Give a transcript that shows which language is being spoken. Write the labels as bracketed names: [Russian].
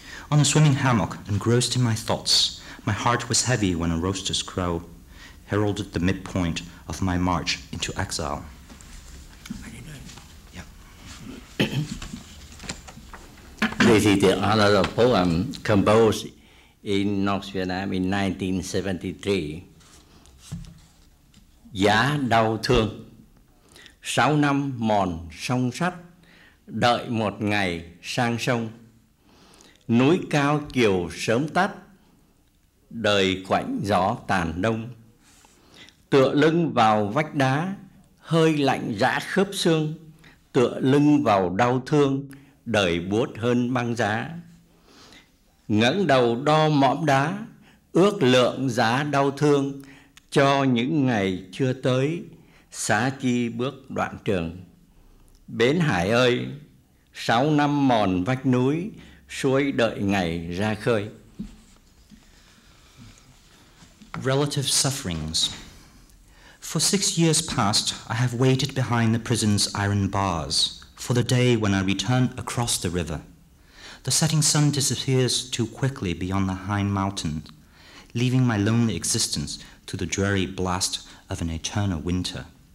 [English] On a swimming hammock, engrossed in my thoughts, my heart was heavy when a rooster's crow heralded the midpoint of my march into exile. This is another poem composed in North Vietnam in 1973. [Vietnamese] Giá đau thương, sáu năm mòn sông sắt, đợi một ngày sang sông. Núi cao chiều sớm tắt, đời quạnh gió tàn đông. Tựa lưng vào vách đá, hơi lạnh rã khớp xương. Tựa lưng vào đau thương, đời buốt hơn băng giá. Ngẩng đầu đo mõm đá, ước lượng giá đau thương cho những ngày chưa tới, xá chi bước đoạn trường. Bến hải ơi, sáu năm mòn vách núi, suối đợi ngày ra khơi. [English] Relative sufferings. For 6 years past, I have waited behind the prison's iron bars for the day when I return across the river. The setting sun disappears too quickly beyond the high mountain, leaving my lonely existence to the dreary blast of an eternal winter.